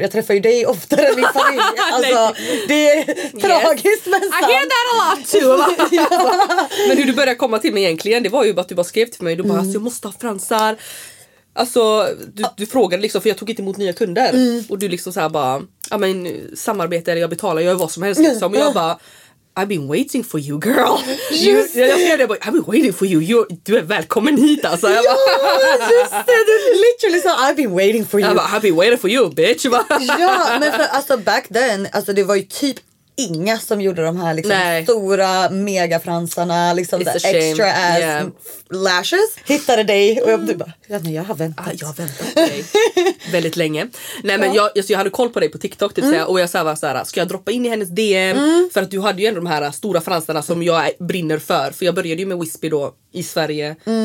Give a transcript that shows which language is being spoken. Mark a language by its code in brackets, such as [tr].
[sv] Jag träffar ju dig oftare än min familj. Alltså det är tragiskt, men [en] sant. I hear that a lot too. [sv] Men hur du började komma till mig egentligen, det var ju bara att du bara skrev till mig. Du bara, alltså jag måste ha fransar. Alltså, du frågade liksom, för jag tog inte emot nya kunder. Och du liksom såhär bara, ja men samarbete eller jag betalar, jag gör vad som helst. Liksom. Och jag bara, [en] I've been waiting for you girl. [sv] Jag skrev det, [en] I've been waiting for you, [sv] du är välkommen hit alltså. Ja, just det, du literally sa, [en] I've been waiting for you. [sv] Jag bara, [en] I've been waiting for you bitch. [sv] Ja, men för alltså [en] back then, [sv] alltså det var ju typ inga som gjorde de här liksom stora megafransarna liksom. It's där [en] extra ass lashes. [sv] Hittade dig och jag bara, jag har väntat. Jag har väntat dig väldigt länge. Nej men jag hade koll på dig på TikTok typ, och jag sa va så här, ska jag droppa in i hennes DM för att du hade ju ändå de här stora fransarna som jag brinner för jag började ju med Wispy då i Sverige.